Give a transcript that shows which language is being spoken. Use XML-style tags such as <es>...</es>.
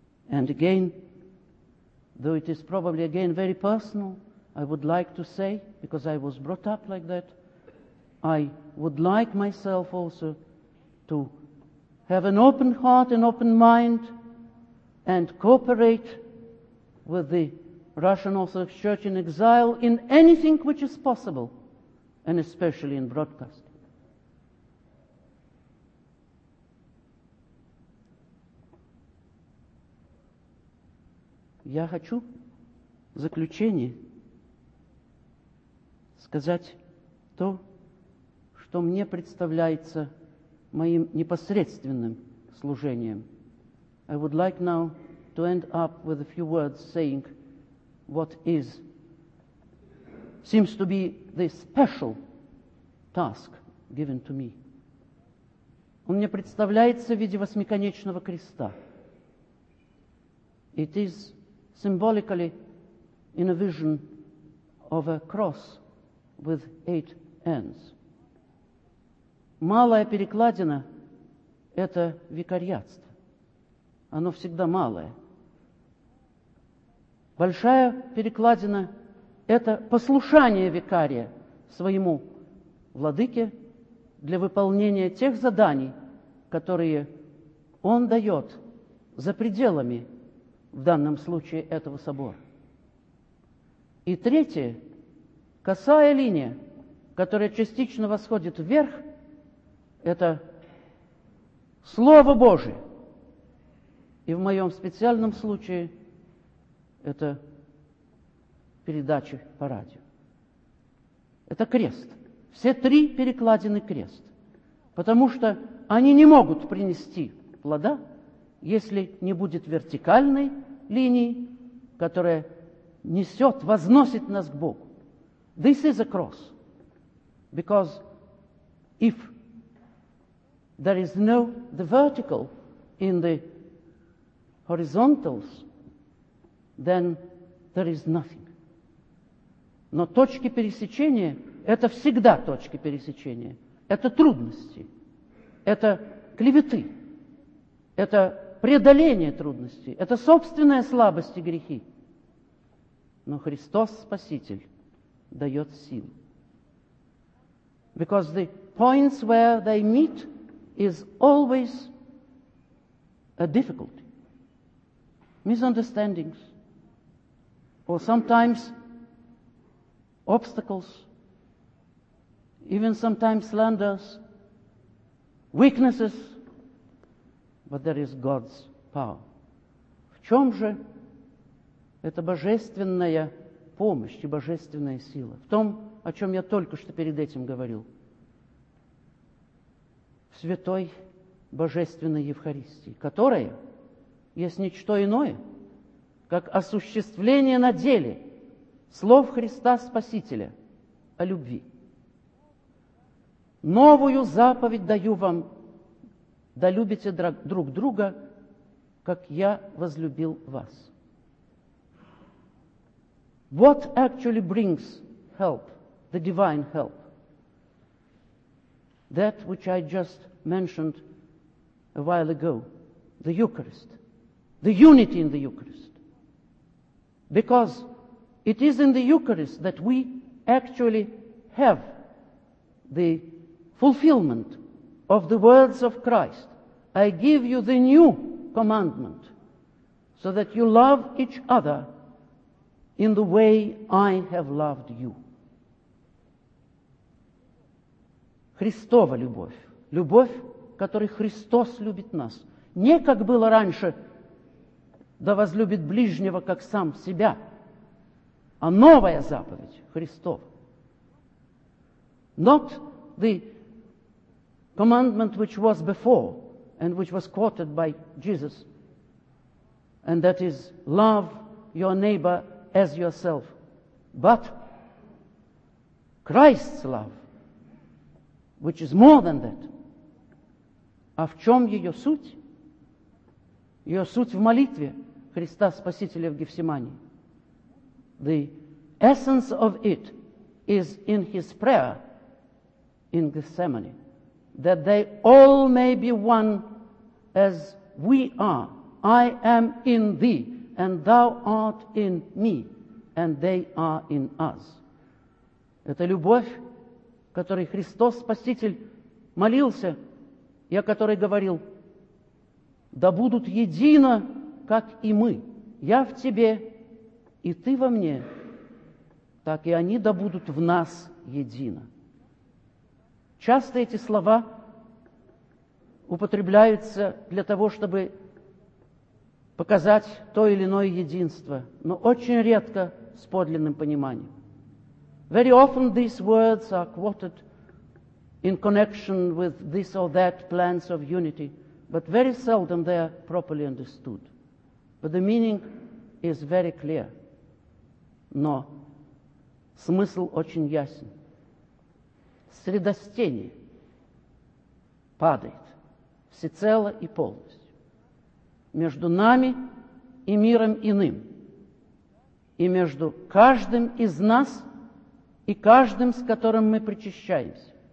<en>And again, though it is probably again very personal, I would like to say, because I was brought up like that, I would like myself also to have an open heart, an open mind, and cooperate with the Russian Orthodox Church in exile in anything which is possible, and especially in broadcasting.</en> <ru>Я хочу в заключение сказать то, что мне представляется моим непосредственным служением.</ru> <en>I would like now to end up with a few words saying what is, seems to be the special task given to me.</en> <ru>Он мне представляется в виде восьмиконечного креста.</ru> <en>It is symbolically in a vision of a cross with eight ends.</en> <ru>Малая перекладина – это викариатство. Оно всегда малое. Большая перекладина – это послушание викария своему владыке для выполнения тех заданий, которые он дает за пределами в данном случае этого собора. И третье, косая линия, которая частично восходит вверх, это Слово Божие. И в моем специальном случае это передачи по радио. Это крест. Все три перекладины крест. Потому что они не могут принести плода, если не будет вертикальной линии, которая несет, возносит нас к Богу.</ru> <en>This is a cross. Because if there is no the vertical in the horizontals, then there is nothing.</en> <ru>Но точки пересечения – это всегда точки пересечения. Это трудности. Это клеветы. Это преодоление трудностей – это собственная слабость и грехи. Но Христос Спаситель дает силу.</ru> <en>Because the points where they meet is always a difficulty. Misunderstandings. Or sometimes obstacles. Even sometimes slanders. Weaknesses. But there is God's power.</en> <ru>В чем же эта божественная помощь и божественная сила? В том, о чем я только что перед этим говорил. В святой божественной Евхаристии, которая есть не что иное, как осуществление на деле слов Христа Спасителя о любви. Новую заповедь даю вам, да любите друг друга, как я возлюбил вас.</ru> <en>What actually brings help, the divine help? That which I just mentioned a while ago, the Eucharist, the unity in the Eucharist. Because it is in the Eucharist that we actually have the fulfillment of the words of Christ, I give you the new commandment, so that you love each other in the way I have loved you.</en> <ru>Христова любовь, любовь, которой Христос любит нас, не как было раньше, да возлюбит ближнего, как сам себя, а новая заповедь Христова.</ru> <en>Not the commandment which was before and which was quoted by Jesus, and that is love your neighbor as yourself, but Christ's love, which is more than that.</en> <ru>А в чем ее суть? Ее суть в молитве Христа Спасителя в Гефсимании.</ru> <en>The essence of it is in his prayer in Gethsemane, that they all may be one as we are. I am in thee, and thou art in me, and they are in us.</en> <ru>Это любовь, который Христос Спаситель молился, и о которой говорил, да будут едино, как и мы. Я в тебе, и ты во мне, так и они да будут в нас едино. Часто эти слова употребляются для того, чтобы показать то или иное единство, но очень редко с подлинным пониманием.</ru> <en>Very often these words are quoted in connection with this or that plans of unity, but very seldom they are properly understood. But the meaning is very clear.</en> <ru>Но смысл очень ясен. Средостение падает всецело и полностью между нами и миром иным, и между каждым из нас и каждым, с которым мы причащаемся.</ru>